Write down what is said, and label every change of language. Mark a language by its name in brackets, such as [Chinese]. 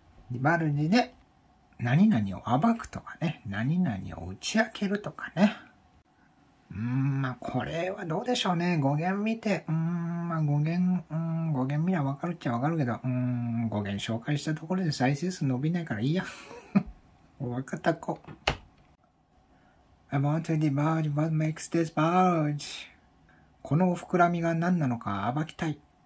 [Japanese] ディバルジで、何々を暴くとかね、何々を打ち明けるとかね。まあこれはどうでしょうね。語源見て、語源見りゃ分かるっちゃ分かるけど、語源紹介したところで再生数伸びないからいいや。分かった子。 [English] I want to diverge, what makes this bulge? [Japanese] この膨らみが何なのか暴きたい。